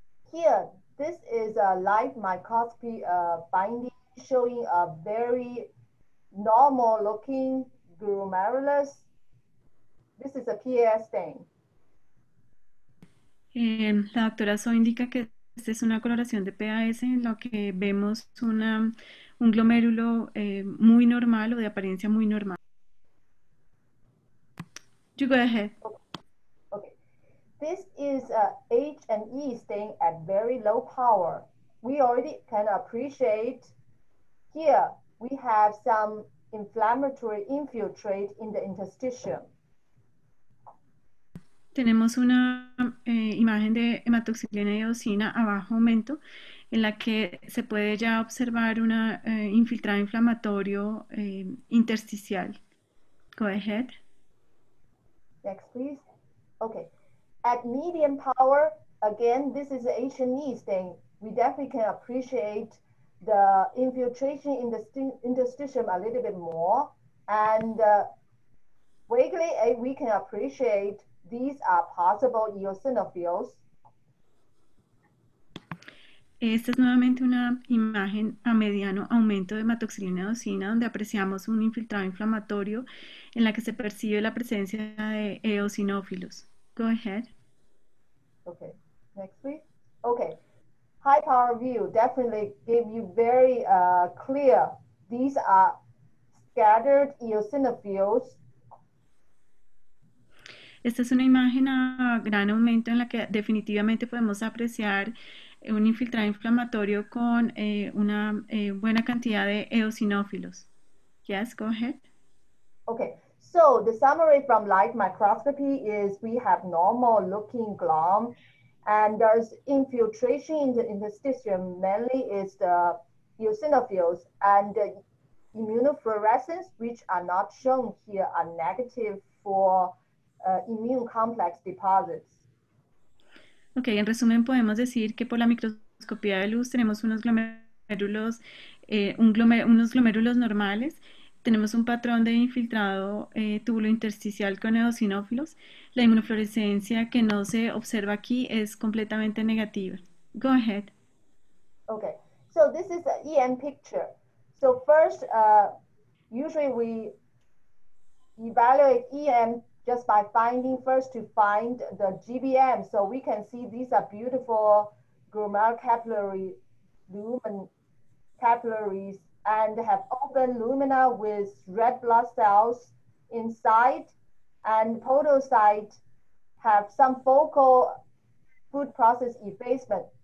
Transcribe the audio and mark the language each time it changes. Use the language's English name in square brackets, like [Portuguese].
[English] Here, this is a light microscopy binding showing a very normal looking glomerulus. This is a PAS stain. [Spanish] La doctora So indica que esta es una coloración de PAS en lo que vemos un glomérulo muy normal o de apariencia muy normal. [English] You go ahead. This is a H&E stain at very low power. We already can appreciate here we have some inflammatory infiltrate in the interstitium. [Spanish] Tenemos una imagen de hematoxilina y eosina a bajo aumento en la que se puede ya observar una infiltrado inflamatorio intersticial. [English] Go ahead. Next, please. Okay. At medium power, again, this is the H&E stain. We definitely can appreciate the infiltration in the interstitium a little bit more. And vaguely, we can appreciate these are possible eosinophils. [Spanish] Esta es nuevamente una imagen a mediano aumento de hematoxilina y eosina donde apreciamos un infiltrado inflamatorio en la que se percibe la presencia de eosinófilos. [English] Go ahead. Okay, next please. Okay, high power view definitely gave you very clear. These are scattered eosinophils. [Spanish] Esta es una imagen a gran aumento en la que definitivamente podemos apreciar un infiltrado inflamatorio con una buena cantidad de eosinófilos. [English] Yes, go ahead. Okay, so the summary from light microscopy is we have normal looking glom and there's infiltration in the interstitium, mainly is the eosinophils and the immunofluorescence, which are not shown here, are negative for immune complex deposits. [Spanish] Ok, en resumen podemos decir que por la microscopía de luz tenemos unos glomérulos, unos glomérulos normales, tenemos un patrón de infiltrado túbulo intersticial con eosinófilos, la inmunofluorescencia que no se observa aquí es completamente negativa. [English] Go ahead. Ok, so this is an EM picture. So first, usually we evaluate EM just by finding first to find the GBM. So we can see these are beautiful glomerular capillary lumen capillaries and have open lumina with red blood cells inside and podocyte have some focal food process effacement.